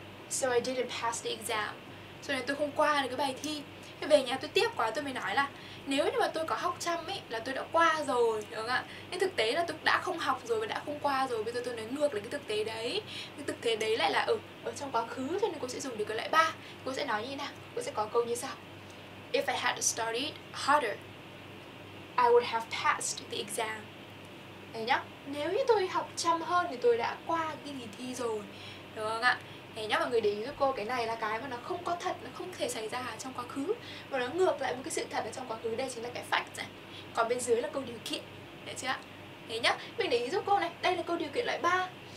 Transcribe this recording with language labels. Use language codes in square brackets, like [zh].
[en] So I didn't pass the exam. [vi] Cho nên tôi không qua được cái bài thi. Thế về nhà tôi tiếc quá, tôi mới nói là nếu như mà tôi có học chăm ấy là tôi đã qua rồi, đúng không ạ? Nhưng thực tế là tôi đã không học rồi và đã không qua rồi. Bây giờ tôi nói ngược lại cái thực tế đấy. Cái thực tế đấy lại là ở trong quá khứ. Cho nên cô sẽ dùng điều kiện loại 3. Cô sẽ nói như thế nào? Cô sẽ có câu như sau. [en] If I had studied harder, I would have passed the exam. [vi] Đấy nhá. Nếu như tôi học chăm hơn thì tôi đã qua cái kỳ thi rồi, đúng không ạ? Đấy nhá, mọi người để ý giúp cô, cái này là cái mà nó không có thật, nó không thể xảy ra trong quá khứ, mà nó ngược lại một cái sự thật ở trong quá khứ. Đây chính là cái fact này. Còn bên dưới là câu điều kiện, đấy chưa ạ? Đấy nhá, mình để ý giúp cô này, đây là câu điều kiện loại 3.